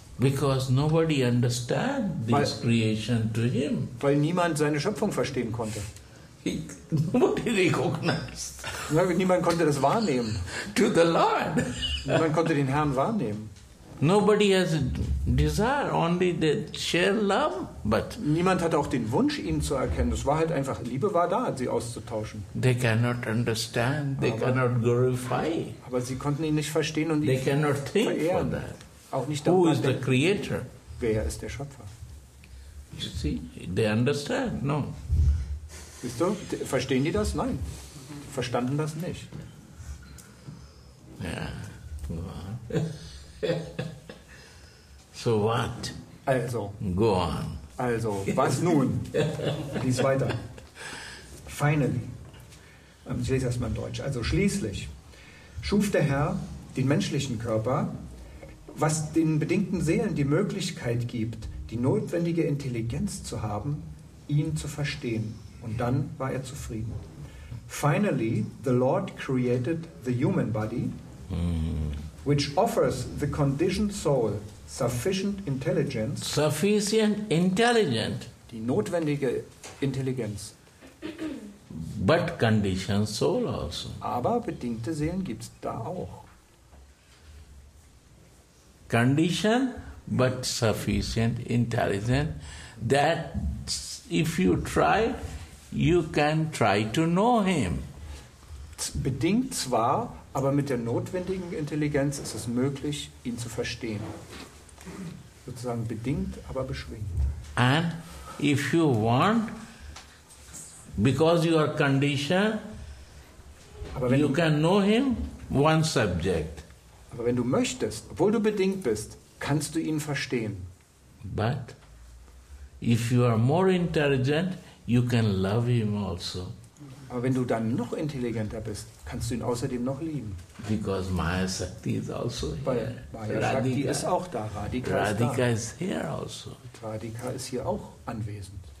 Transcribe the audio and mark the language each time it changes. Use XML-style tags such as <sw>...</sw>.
<en>Because nobody understand this creation to him.</en> <de>Weil niemand seine Schöpfung verstehen konnte.</de> <en>Nobody recognized.</en> <de>Niemand konnte das wahrnehmen.</de> <en>To the Lord.</en> <de>Niemand konnte den Herrn wahrnehmen.</de> <en>Nobody has a desire, only the share love, but</en> <de>niemand hatte auch den Wunsch, ihn zu erkennen. Es war halt einfach, Liebe war da, sie auszutauschen.</de> <en>They cannot understand, they cannot glorify.</en> <de>Aber sie konnten ihn nicht verstehen und</de> <en>they</en> <de>ihn</de> <en>cannot think</en> <de>verehren.</de> <en>That.</en> <de>Auch nicht</de> <en>who is the creator?</en> <de>Wer ist der Schöpfer?</de> <en>You see, they understand, no.</en> <de>Siehst du, verstehen die das? Nein. Die verstanden das nicht.</de> <en>Ja, so what?</en> <de>Also.</de> <en>Go on.</en> <de>Also, was nun? Lies weiter. Finally. Ich lese erstmal in Deutsch. Also schließlich schuf der Herr den menschlichen Körper, was den bedingten Seelen die Möglichkeit gibt, die notwendige Intelligenz zu haben, ihn zu verstehen. Und dann war er zufrieden.</de> <en>Finally, the Lord created the human body, which offers the conditioned soul sufficient intelligence. Sufficient intelligent.</en> <de>Die notwendige Intelligenz.</de> <en>But conditioned soul also.</en> <de>Aber bedingte Seelen gibt es da auch.</de> <en>Conditioned, but sufficient intelligent. That if you try, you can try to know him.</en> <de>Bedingt zwar, aber mit der notwendigen Intelligenz ist es möglich, ihn zu verstehen. Sozusagen bedingt, aber beschwingt.</de> <en>And if you want, because you are conditioned, you can know him one subject.</en> <de>Aber wenn du möchtest, obwohl du bedingt bist, kannst du ihn verstehen.</de> <en>But if you are more intelligent, you can love him also.</en> <de>Aber wenn du dann noch intelligenter bist, kannst du ihn außerdem noch lieben.</de> <en>Because Maya Shakti is also here.</en> <de>Maya Shakti ist auch da. Radhika</de> <en>is here also.</en> <de>Radhika ist hier auch anwesend.</de>